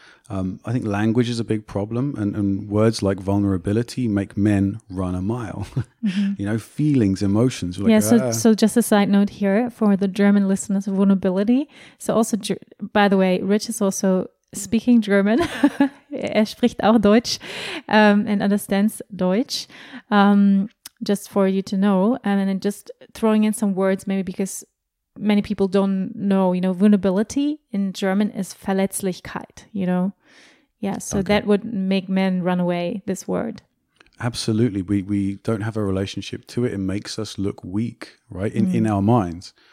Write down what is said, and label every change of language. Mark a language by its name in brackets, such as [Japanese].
[English] I think language is a big problem, and words like vulnerability make men run a mile. You know, feelings, emotions. Like, yeah, so just a side note here for the German listeners, vulnerability. So also, by the way, Rich is also speaking German. [German] Er spricht auch Deutsch [English] and understands [German] Deutsch. [English] Just for you to know. And then just throwing in some words, maybe because many people don't know, you know, vulnerability in German is Verletzlichkeit, you know. Yeah, so okay. That would make men run away, this word. Absolutely. We don't have a relationship to it. It makes us look weak, right, in our minds.